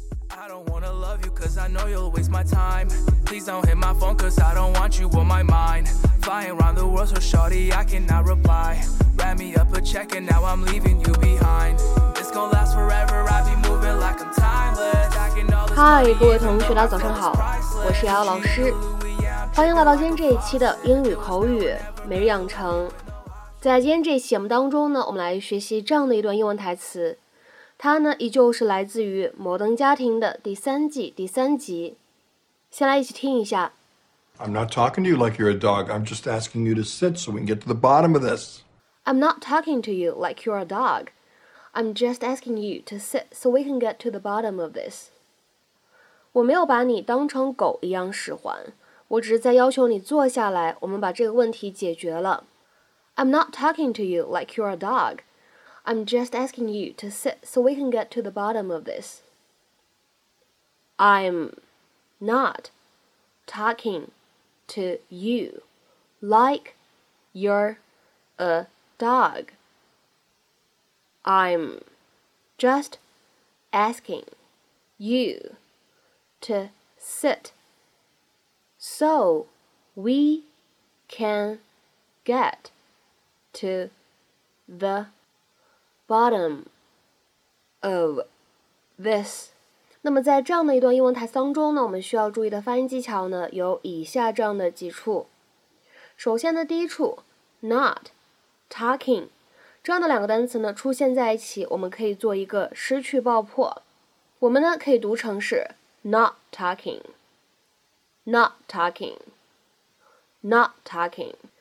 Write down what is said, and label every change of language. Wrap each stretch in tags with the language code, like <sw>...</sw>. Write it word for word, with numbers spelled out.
<en>I don't wanna love you cause I know you'll waste my time. Please don't hit my phone cause I don't want you on my mind. Flying around the world so shorty I cannot reply. Wrap me up a check and now I'm leaving you behind. This gon' last forever, I be moving like I'm timeless.</en> <zh>嗨，各位同学大家早上好，我是瑶瑶老师，欢迎来到今天这一期的英语口语每日养成。在今天这一期节目当中呢，我们来学习这样的一段英文台词，它呢依旧是来自于《摩登家庭》的第三季第三集，先来一起听一下。</zh> <en>I'm not talking to you like you're a dog. I'm just asking you to sit so we can get to the bottom of this. I'm not talking to you like you're a dog. I'm just asking you to sit so we can get to the bottom of this.</en> <zh>我没有把你当成狗一样使唤，我只是在要求你坐下来，我们把这个问题解决了。</zh> <en>I'm not talking to you like you're a dog. I'm just asking you to sit so we can get to the bottom of this. I'm not talking to you like you're a dog. I'm just asking you to sit so we can get to the bottom of this.</en> <zh>那么在这样的一段英文台词当中呢，我们需要注意的发音技巧呢有以下这样的几处。首先呢，第一处 not talking 这样的两个单词呢出现在一起，我们可以做一个失去爆破，我们呢可以读成是</zh> <en>not talking not talking not talking。</en>